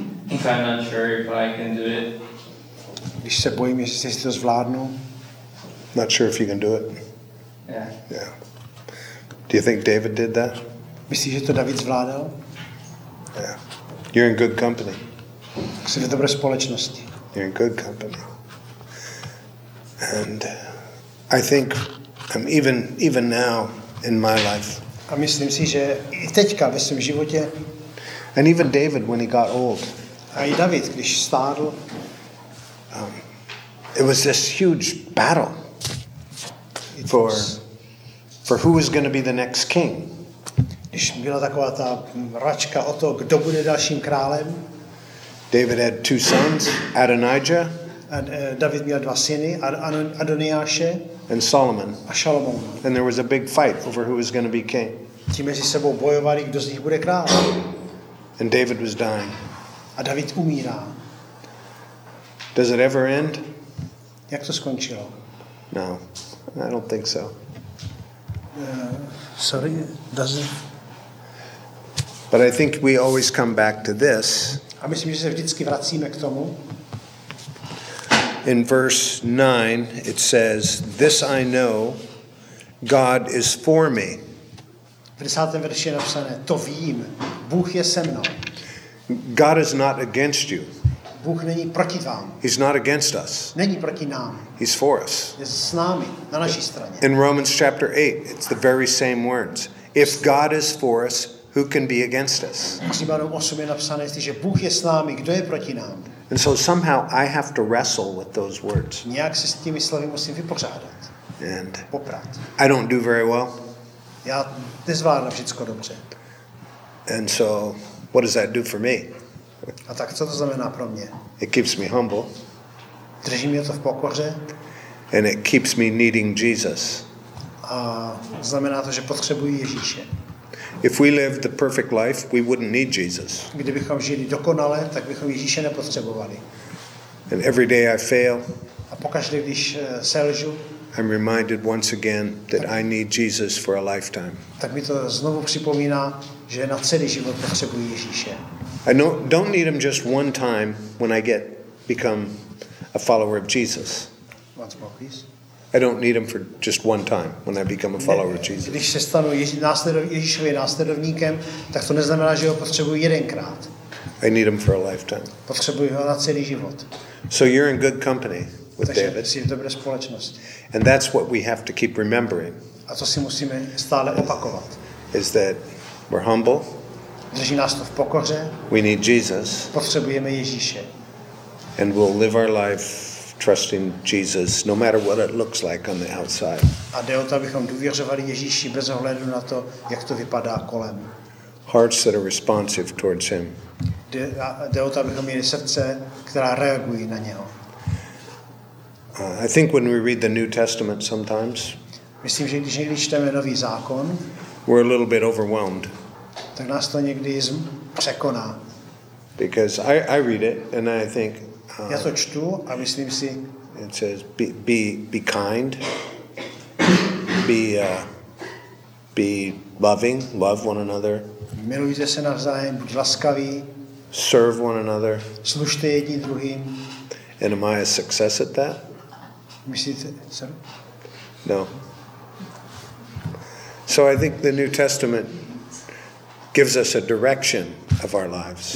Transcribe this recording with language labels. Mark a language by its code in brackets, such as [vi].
[en] If I'm not sure if I can do it. [cs] Když se bojím, jestli si to zvládnu. [en] Not sure if you can do it. Yeah. Yeah. Do you think David did that? [cs] Myslíš, že to David zvládal? [en] Yeah. You're in good company. [cs] Jsi v dobré společnosti. [en] You're in good company. And I think I'm even now in my life. [cs] A myslím si, že i teďka ve svém životě. [en] And even David when he got old. [cs] A i David, když stárl. [en] It was this huge battle for who is going to be the next king. [cs] Když byla taková ta račka o to, kdo bude dalším králem. [en] David had 2 sons, Adonijah. [cs] David měl 2 syny, Adoniáše. [en] and Solomon. [cs] A Šalamoun. [en] And there was a big fight over who was going to be king. [cs] Ti mezi sebou bojovali, kdo z nich bude král. [en] And David was dying. [cs] A David umírá. [en] Does it ever end? [cs] Jak to skončilo? [en] No, I don't think so. Sorry, does it? But I think we always come back to this. [cs] A myslím, že se vždycky vracíme k tomu. [en] In verse 9, it says, "This I know, God is for me." [cs] V 10. verši je napsané, to vím, Bůh je se mnou. [en] God is not against you. [cs] Bůh není proti vám. [en] He's not against us. [cs] Není proti nám. [en] He's for us. [cs] Je s námi, na naší straně. [en] In Romans chapter 8, it's the very same words. If God is for us, who can be against us? [cs] Římanům 8 je napsané, jestliže Bůh je s námi, kdo je proti nám? [en] And so somehow I have to wrestle with those words. [cs] Nějak se s těmi slovy musím vypořádat. [en] And [cs] poprat. [en] I don't do very well. [cs] Já nezvládám všechno dobře. [en] And so what does that do for me? [cs] A tak co to znamená pro mě? [en] It keeps me humble. [cs] Drží mě to v pokoře. [en] And it keeps me needing Jesus. [cs] A znamená to, že potřebuji Ježíše. [en] If we lived the perfect life, we wouldn't need Jesus. [cs] Kdybychom žili dokonale, tak bychom Ježíše nepotřebovali. [en] And every day I fail. [cs] A pokaždé, když selžu, [en] I'm reminded once again that I need Jesus for a lifetime. [cs] Tak mi to znovu připomíná, že na celý život potřebuji Ježíše. [en] I don't need him just one time when I become a follower of Jesus. Once more, please. I don't need him for just one time when I become a follower of Jesus. [cs] Když se stanu Ježíšovým následovníkem, tak to neznamená, že ho potřebuji jedenkrát. [en] I need him for a lifetime. [cs] Potřebuji ho na celý život. [en] So you're in good company with [cs] takže [en] David. [cs] Jsi v dobré společnosti. [en] And that's what we have to keep remembering. [cs] A to si musíme stále opakovat. [en] Is that we're humble. [cs] Drží nás to v pokoře. [en] We need Jesus. [cs] Potřebujeme Ježíše. [en] And we'll live our life trusting Jesus, no matter what it looks like on the outside. [cs] A jde o to, abychom důvěřovali Ježíši bez ohledu na to, jak to vypadá kolem. [en] Hearts that are responsive towards him. [cs] Jde o to, abychom měli srdce, která reagují na něho. [en] I think when we read the New Testament sometimes, [cs] myslím, že když někdy čteme Nový zákon, [en] we're a little bit overwhelmed. [cs] Tak nás to někdy překoná. [en] Because I read it and I think, [cs] já to čtu a myslím si, [en] it says be kind, be loving, love one another. [cs] Milujte se navzájem, buď laskaví. [en] Serve one another. [cs] Služte jedni druhým. [en] And am I a success at that? [cs] Myslíte, sir? [en] No. So I think the New Testament gives us a direction of our lives.